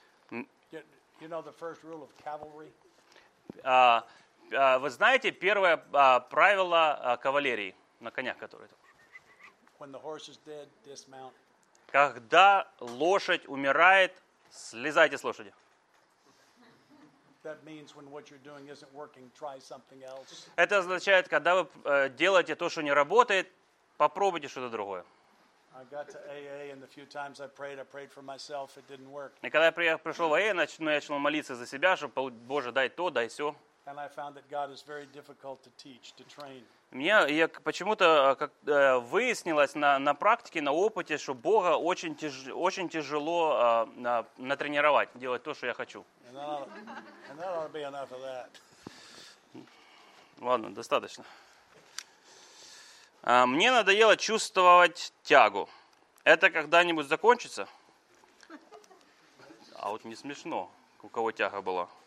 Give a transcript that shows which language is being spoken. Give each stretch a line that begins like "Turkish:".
English: You know the first rule of cavalry?
Russian: Вы знаете первое правило кавалерии на конях, которые там.
English: When the horse is dead, dismount.
Russian: Когда лошадь умирает, слезайте с лошади.
English: That means when what you're doing isn't working, try something else.
Russian: Это означает, когда вы делаете то, что не работает, попробуйте что-то другое.
English: I got to AA and the few times I prayed for myself, it didn't work.
Russian: И когда я пришел в AA, начал молиться за себя, чтобы Боже, дай то, дай сё.
English: And I found that God is very difficult to teach, to train.
Russian: Мне я почему-то как выяснилось на практике, на опыте, что Бога очень тяжело натренировать, делать то, что я хочу.
English: And that ought to be enough of that.
Russian: Ладно, достаточно. Мне надоело чувствовать тягу. Это когда-нибудь закончится? А вот не смешно, у кого тяга была.